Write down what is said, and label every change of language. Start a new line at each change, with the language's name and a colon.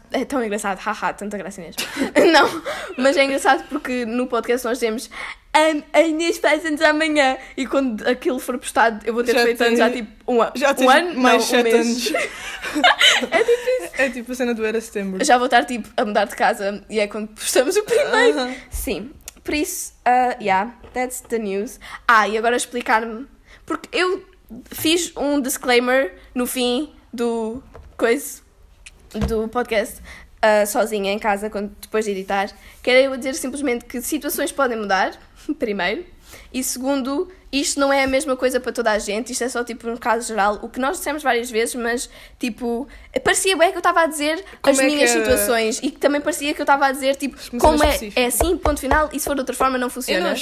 Portuguese: É tão engraçado, haha, tanta graça mesmo. Não, mas é engraçado porque no podcast nós temos a Inês faz anos amanhã. E quando aquilo for postado, eu vou ter já feito tenho, já tipo um ano. Já um ano? Mais não, um mês. Anos. É difícil. É tipo a cena do era setembro. Já vou estar tipo a mudar de casa. E é quando postamos o primeiro. Uh-huh. Sim. Por isso,
English: yeah, that's the news.
Portuguese: Ah, e agora explicar-me... Porque eu fiz um disclaimer no fim do coisa do podcast, sozinha em casa, quando, depois de editar, que era eu dizer simplesmente que situações podem mudar, primeiro, e segundo, isto não é a mesma coisa para toda a gente, isto é só, tipo, um caso geral, o que nós dissemos várias vezes, mas, tipo, parecia bem que eu estava a dizer como as é minhas situações, e que também parecia que eu estava a dizer, tipo, como é assim, ponto final, e se for de outra forma, não funciona.